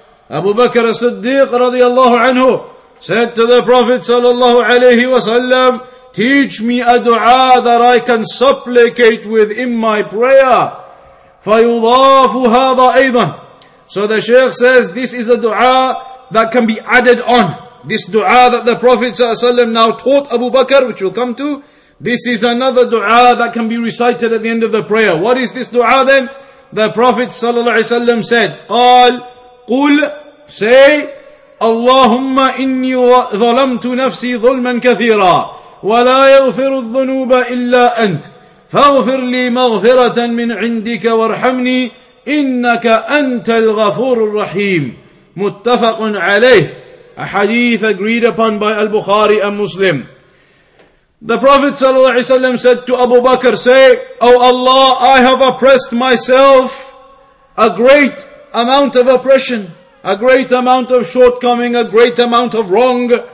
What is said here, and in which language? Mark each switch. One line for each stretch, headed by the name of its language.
English: Abu Bakr as-Siddiq radiyallahu anhu said to the Prophet sallallahu alayhi wasallam, teach me a dua that I can supplicate with in my prayer.
Arabic: فيضاف هذا أيضا.
English: So the Shaykh says this is a dua that can be added on. This dua that the Prophet ﷺ now taught Abu Bakr, which we'll come to, this is another dua that can be recited at the end of the prayer. What is this dua then? The Prophet ﷺ said,
Arabic: قال, قل,
English: say,
Arabic: اللهم إني ظلمت نفسي ظلما كثيرا ولا يغفر الذنوب إلا أنت فاغفر لي مغفرة من عندك وارحمني إنك أنت الغفور الرحيم. متفق عليه.
English: A hadith agreed upon by Al-Bukhari and Muslim. The Prophet ﷺ said to Abu Bakr, say, O Allah, I have oppressed myself a great amount of oppression, a great amount of shortcoming, a great amount of wrong.